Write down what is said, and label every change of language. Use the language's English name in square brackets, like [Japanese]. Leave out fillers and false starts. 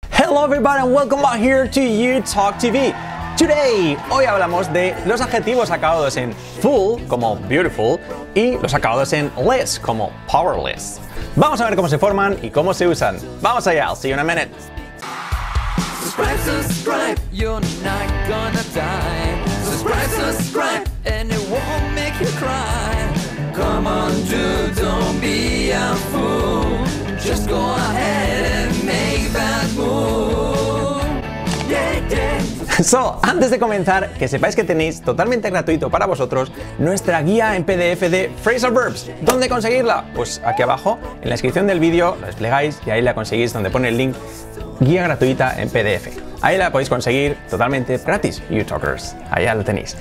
[English] Hello everybody and welcome back here to You Talk TV. Today, [Spanish] hoy hablamos de los adjetivos acabados en full, como beautiful, y los acabados en less, como powerless. Vamos a ver cómo se forman y cómo se usan. Vamos allá, [English] I'll see you in a minute. Subscribe, you're not gonna die. Subscribe, and it won't make you cry. Come on, dude, don't be a fool. Just go ahead and make that move. Yeah, yeah. [Spanish] So, antes de comenzar, que sepáis que tenéis totalmente gratuito para vosotros nuestra guía en PDF de Phrasal Verbs. ¿Dónde conseguirla? Pues aquí abajo, en la descripción del vídeo, la desplegáis y ahí la conseguís donde pone el link, guía gratuita en PDF. Ahí la podéis conseguir totalmente gratis, YouTalkers. Allá la tenéis.